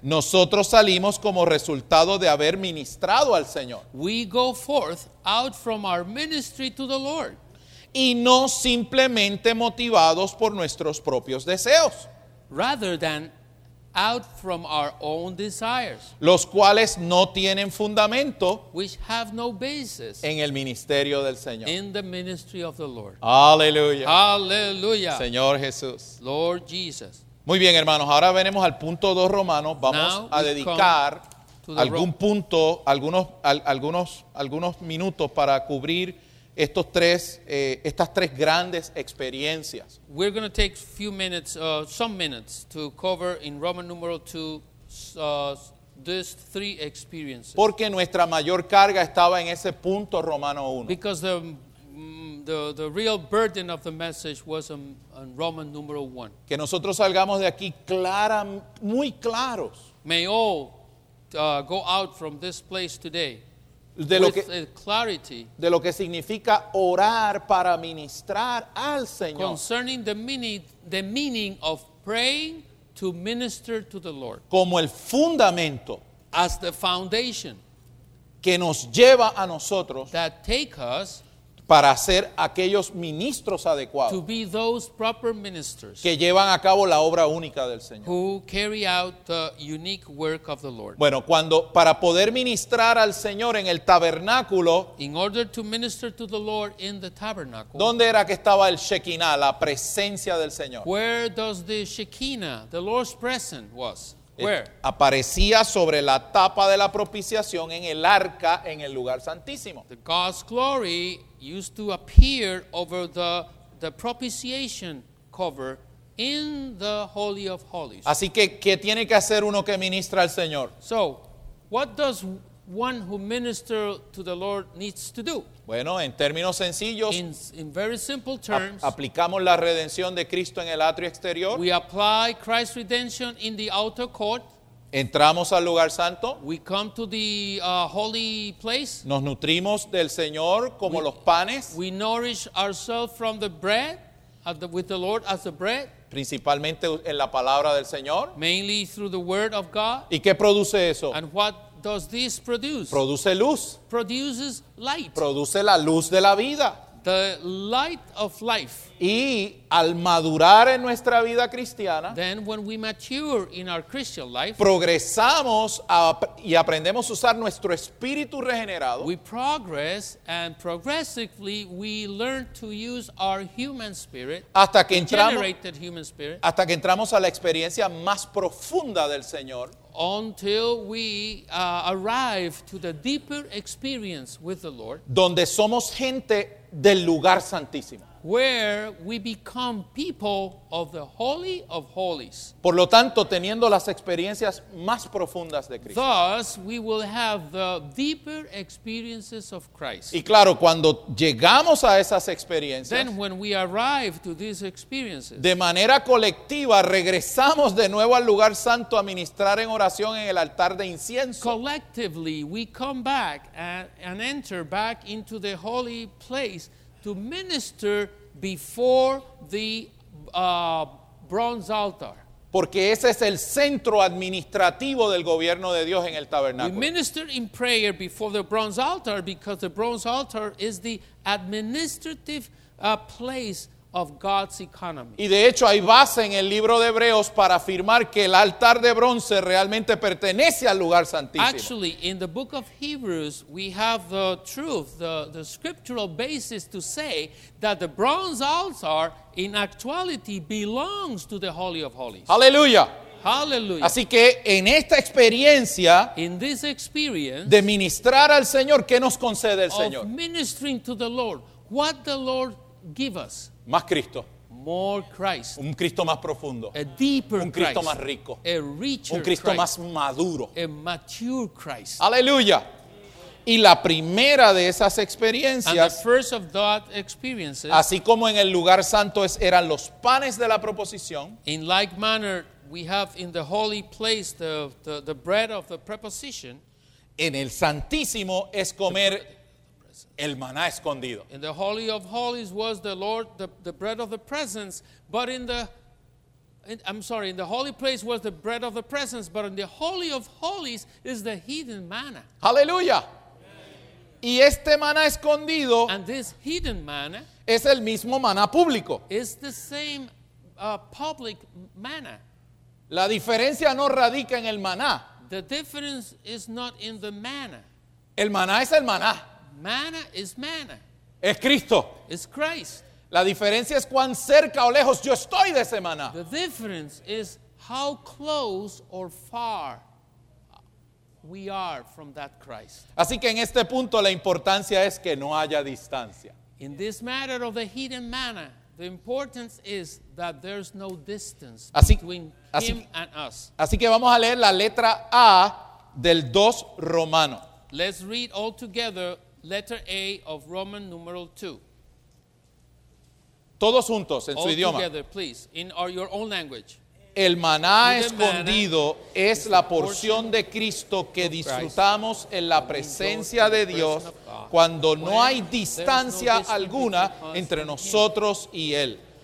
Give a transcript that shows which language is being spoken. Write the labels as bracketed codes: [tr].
[es] nosotros salimos como resultado de haber ministrado al Señor. [en] We go forth out from our ministry to the Lord. [es] Y no simplemente motivados por nuestros propios deseos. [en] Rather than out from our own desires. [es] Los cuales no tienen fundamento. [en] Which have no basis. [es] En el ministerio del Señor. [en] In the ministry of the Lord. [es] Aleluya. Aleluya. Señor Jesús. [en] Lord Jesus. [es] Muy bien, hermanos. Ahora venimos al punto 2 romano. Vamos [en] Now [es] a dedicar algún punto, algunos minutos para cubrir estas tres grandes experiencias. [en] We're going to take some minutes to cover in Roman numeral 2 these three experiences. [es] Porque nuestra mayor carga estaba en ese punto romano 1. [en] Because the real burden of the message was on Roman numeral 1. [es] Que nosotros salgamos de aquí muy claros. [en] May all go out from this place today. [es] De lo que significa orar para ministrar al Señor. [en] Concerning the meaning of praying to minister to the Lord. [es] Como el fundamento. [en] As the foundation. [es] Que nos lleva a nosotros. [en] That take us. [es] Para ser aquellos ministros adecuados. [en] To be those proper ministers. [es] Que llevan a cabo la obra única del Señor. [en] Who carry out the unique work of the Lord. [es] Bueno, para poder ministrar al Señor en el tabernáculo. [en] In order to minister to the Lord in the tabernacle. [es] ¿Dónde era que estaba el Shekinah, la presencia del Señor? [en] Where does the Shekinah, the Lord's presence, was? Where? [es] Aparecía sobre la tapa de la propiciación en el arca en el lugar santísimo. [en] The God's glory used to appear over the propitiation cover in the Holy of Holies. [es] Así que, ¿qué tiene que hacer uno que ministra al Señor? [en] So, what does one who ministers to the Lord needs to do? [es] Bueno, en términos sencillos, [en] in very simple terms, [es] aplicamos la redención de Cristo en el atrio exterior. [en] We apply Christ's redemption in the outer court. [es] Entramos al lugar santo. [en] We come to the holy place. [es] Nos nutrimos del Señor como los panes. [en] We nourish ourselves from the bread, with the Lord as the bread. [es] Principalmente en la palabra del Señor. [en] Mainly through the word of God. [es] ¿Y qué produce eso? [en] And what does this produce? [es] Produce luz. [en] Produces light. [es] Produce la luz de la vida. [en] The light of life. [es] Y al madurar en nuestra vida cristiana, [en] then when we mature in our Christian life, [es] progresamos y aprendemos a usar nuestro espíritu regenerado. [en] We progress and progressively we learn to use our human spirit, [es] hasta que entramos, [en] generated human spirit, [es] hasta que entramos a la experiencia más profunda del Señor. [en] Until we arrive to the deeper experience with the Lord, [es] donde somos gente del lugar santísimo, [en] where we become people of the Holy of Holies. [es] Por lo tanto, teniendo las experiencias más profundas de Cristo, [en] thus we will have the deeper experiences of Christ. [es] Y claro, cuando llegamos a esas experiencias, [en] then when we arrive to these experiences, [es] de manera colectiva regresamos de nuevo al lugar santo a ministrar en oración en el altar de incienso. [en] Collectively we come back and enter back into the holy place to minister before the bronze altar. [es] Porque ese es el centro administrativo del gobierno de Dios en el tabernáculo. [en] We minister in prayer before the bronze altar because the bronze altar is the administrative place of God's economy. [es] Y de hecho hay base en el libro de Hebreos para afirmar que el altar de bronce realmente pertenece al lugar santísimo. [en] Actually, in the book of Hebrews, we have the truth, the scriptural basis to say that the bronze altar in actuality belongs to the Holy of Holies. Hallelujah. Hallelujah. [es] Así que en esta experiencia, [en] in this experience, [es] de ministrar al Señor, ¿qué nos concede el Señor? [en] Of ministering to the Lord, what the Lord give us? [es] Más Cristo. [en] More Christ. [es] Un Cristo más profundo. [en] A deeper [es] Un Cristo [en] Christ. [es] Más rico. [en] A richer [es] Un Cristo [en] Christ. [es] Más maduro. [en] A mature Christ. [es] Aleluya. Y la primera de esas experiencias, [en] and the first of that experiences, [es] así como en el lugar santo eran los panes de la proposición, [en] in like manner we have in the holy place the bread of the preposition, [es] en el santísimo es comer el maná escondido. [en] In the Holy of Holies was the Lord, the bread of the presence, but in the holy place was the bread of the presence, but in the Holy of Holies is the hidden manna. [es] Hallelujah. Y este maná escondido, [en] and this hidden manna, [es] es el mismo maná público. [en] Is the same public manna. [es] La diferencia no radica en el maná. [en] The difference is not in the manna. [es] El maná es el maná. [en] Manna is manna. [es] Es Cristo. [en] It's Christ. [es] La diferencia es cuán cerca o lejos yo estoy de ese maná. [en] The difference is how close or far we are from that Christ. [es] Así que en este punto la importancia es que no haya distancia. [en] In this matter of the hidden manna, the importance is that there's no distance between him and us. [es] Así que vamos a leer la letra A del 2 Romano. [en] Let's read all together. Letter A of Roman numeral 2. [es] Todos juntos en [en] all [es] su idioma. [en] All together, please, in your own language. [es] El maná escondido es la porción de Cristo que disfrutamos en la presencia de Dios cuando no hay distancia alguna entre nosotros y Él.